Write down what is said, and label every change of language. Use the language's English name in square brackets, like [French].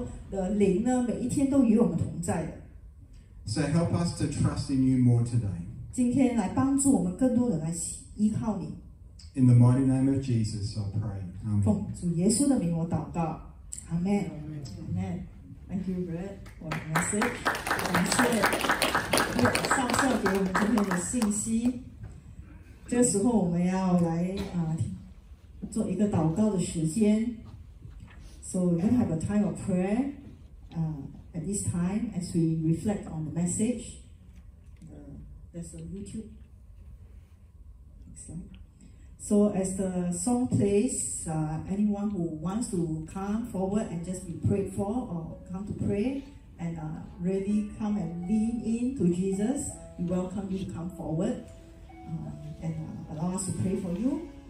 [Chinese] 我们的希望就是你的活的灵呢，每一天都与我们同在的。 [English] So help us to trust in you more today. [Chinese] 今天来帮助我们更多的来依靠你。 [English] In the mighty name of Jesus, I pray. Amen. [Chinese] 奉主耶稣的名我祷告。Amen. [English] Amen. Thank you, Brett. What a message. [Chinese] 感谢上帝给我们今天的信息。这时候我们要来做一个祷告的时间。 [English] So we're going to have a time of prayer. At this time, as we reflect on the message, there's a YouTube. So as the song plays, anyone who wants to come forward and just be prayed for or come to pray and really come and lean in to Jesus, we welcome you to come forward and allow us to pray for you.